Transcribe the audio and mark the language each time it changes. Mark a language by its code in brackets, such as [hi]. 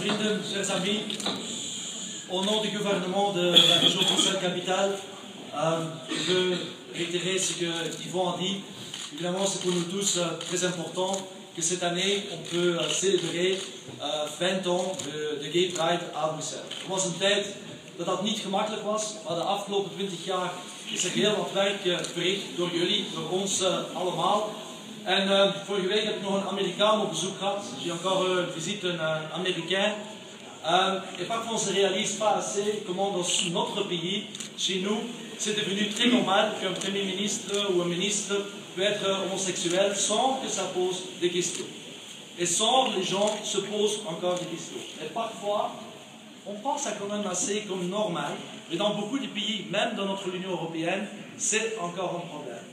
[fr] Vrienden, chers amis, au nom du gouvernement de la région Bruxelles-Capitale, je veux réitérer ce que Yvon a dit. Évidemment, c'est pour nous tous très important que cette année, on peut célébrer 20 ans de Gay Pride à Bruxelles. [nl] Het was een tijd dat dat niet gemakkelijk was, maar de afgelopen 20 jaar is er heel wat werk verricht door jullie, door ons allemaal. En vorige week heb ik nog een Amerikaan op bezoek gehad, [fr] j'ai encore visite un Américain. Et parfois on ne se réalise pas assez comment dans notre pays, chez nous, c'est devenu très normal qu'un premier ministre ou un ministre peut être homosexuel sans que ça pose des questions. Et sans que les gens se posent encore des questions. Et parfois, on pense à quand même assez comme normal, mais dans beaucoup de pays, même dans notre Union européenne, c'est encore un problème.